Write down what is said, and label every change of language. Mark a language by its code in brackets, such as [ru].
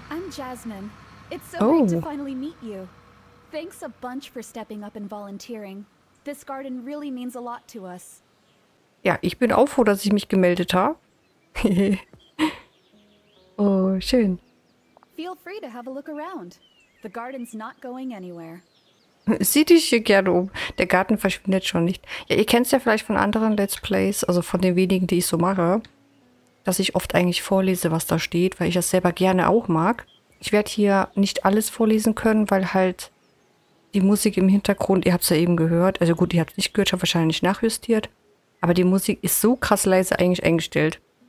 [en] Jasmine, it's so great to finally meet you. Thanks a bunch for stepping up and volunteering. This garden really means a lot to us. [de] Ja, ich bin auch froh, dass ich mich gemeldet habe. Oh, schön. [en] Feel free to have a look around. The garden's not going anywhere. [de] Sieh dich hier gerne um. Der Garten verschwindet schon nicht. Ja, ihr kennt es ja vielleicht von anderen Let's Plays, also von den wenigen, die ich so mache, dass ich oft eigentlich vorlese, was da steht, weil ich das selber gerne auch mag. Ich werde hier nicht alles vorlesen können, weil halt die Musik im Hintergrund, ihr habt es ja eben gehört, also gut, ihr habt es nicht gehört, ich habe wahrscheinlich nachjustiert, aber die Musik ist so krass leise eigentlich eingestellt.